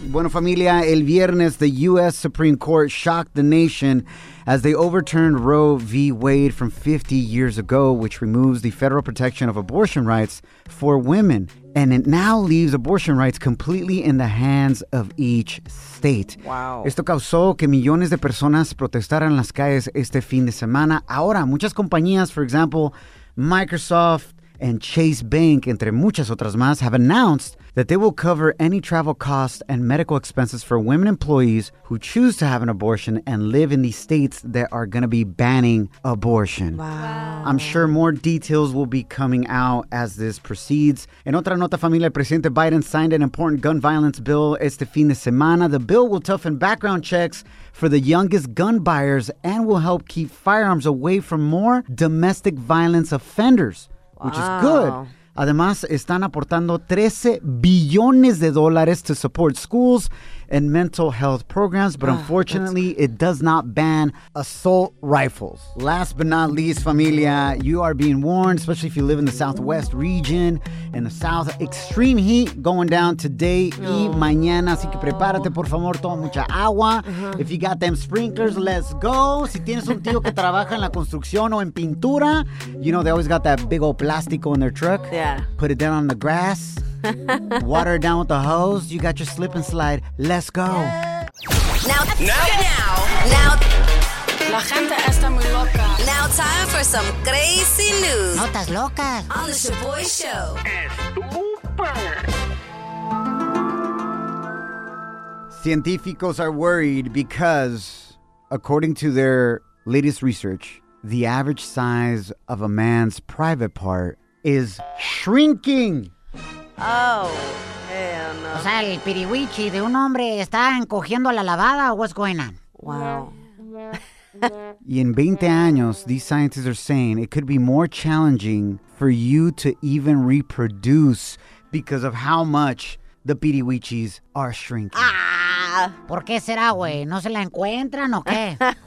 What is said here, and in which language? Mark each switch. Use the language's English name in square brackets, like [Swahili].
[Spanish] Bueno, familia, el viernes, [English] the U.S. Supreme Court shocked the nation as they overturned Roe v. Wade from 50 years ago, which removes the federal protection of abortion rights for women. And it now leaves abortion rights completely in the hands of each state. Wow. [Spanish] Esto causó que millones de personas protestaran las calles este fin de semana. Ahora, muchas compañías, [English] for example, Microsoft and Chase Bank, [Spanish] entre muchas otras más, [English] have announced that they will cover any travel costs and medical expenses for women employees who choose to have an abortion and live in the states that are going to be banning abortion. Wow. I'm sure more details will be coming out as this proceeds. [Spanish] En otra nota, familia, [English] Presidente Biden signed an important gun violence bill [Spanish] este fin de semana. [English] The bill will toughen background checks for the youngest gun buyers and will help keep firearms away from more domestic violence offenders, which is good. [Spanish] Además, están aportando [English] $13 billion to support schools and mental health programs. But unfortunately, it does not ban assault rifles. Last but not least, familia, you are being warned, especially if you live in the Southwest region, in the South, extreme heat going down today [Spanish] y mañana. Así que prepárate, por favor, toma mucha agua. [English] If you got them sprinklers, let's go. [Spanish] Si tienes un tío que trabaja en la construcción o en pintura, [English] you know, they always got that big old plástico in their truck. Yeah. Put it down on the grass. Water it down with the hose. You got your slip and slide. Let's go. Now. [Spanish] La gente está muy loca. [English] Now time for some crazy news. [Spanish] Notas locas. [English] On the Shaboy Show. Científicos are worried because, according to their latest research, the average size of a man's private part is shrinking. Oh, hell no. [Spanish] O sea, el piriwichi de un hombre está encogiendo a la lavada. [English] What's going on? Wow. [Spanish] Y en 20 años, [English] these scientists are saying it could be more challenging for you to even reproduce because of how much the piriwichis are shrinking. [Spanish] ¿Por qué será, güey? ¿No se la encuentran o qué?